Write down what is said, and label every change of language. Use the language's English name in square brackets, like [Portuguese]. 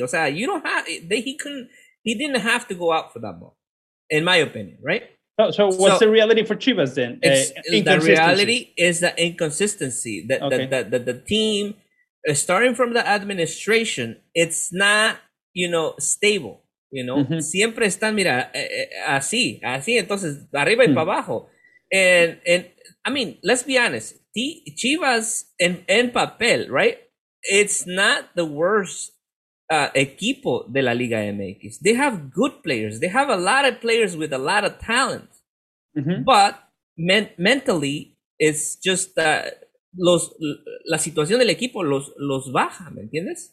[Spanish] O sea, [English] you don't have he didn't have to go out for that ball, in my opinion, right? So what's the reality for Chivas then? The reality is the inconsistency that the team. Starting from the administration, it's not, you know, stable, you know. Mm-hmm. [Spanish] Siempre están, mira, así, entonces, arriba y para abajo. [English] And I mean, let's be honest, Chivas [Spanish] en papel, [English] right? It's not the worst [Spanish] equipo de la Liga MX. [English] They have good players. They have a lot of players with a lot of talent. Mm-hmm. But mentally, it's just that. [Spanish] La situación del equipo los baja, ¿me entiendes?